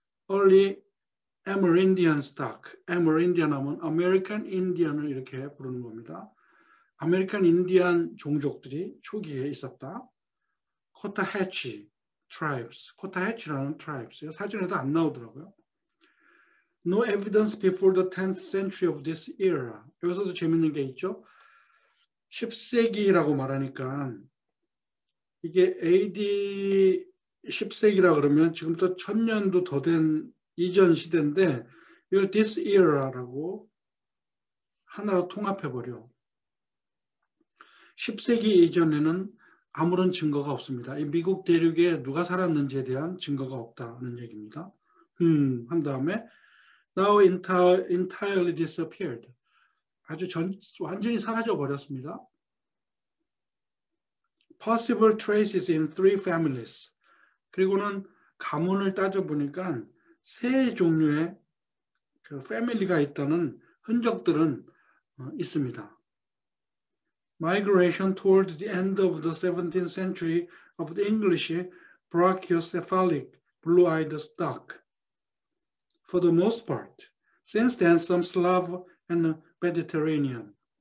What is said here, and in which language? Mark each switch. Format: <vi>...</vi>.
<en>Early Amerindian stock. Amerindian</en> <ko>하면 American Indian을 이렇게 부르는 겁니다. American Indian 종족들이 초기에 있었다.</ko> <en>Cotahatchee tribes. Cotahatchee라는 tribes.</en> <ko>사진에도 안 나오더라고요.</ko> <en>No evidence before the 10th century of this era.</en> <ko>여기서도 재밌는 게 있죠. 10세기라고 말하니까 이게 AD 10세기라 그러면 지금부터 1000년도 더된 이전 시대인데 이걸 this era라고 하나로 통합해버려. 10세기 이전에는 아무런 증거가 없습니다. 이 미국 대륙에 누가 살았는지에 대한 증거가 없다는 얘기입니다. 한 다음에</ko> <en>now entirely disappeared.</en> <ko>아주 완전히 사라져버렸습니다.</ko> <en>Possible traces in three families.</en> <ko>그리고는 가문을 따져보니까 세 종류의 그 패밀리가 있다는 흔적들은 있습니다.</ko> <en>Migration toward the end of the 17th century of the English brachycephalic blue-eyed stock. For the most part, since then some Slav and Mediterranean.</en>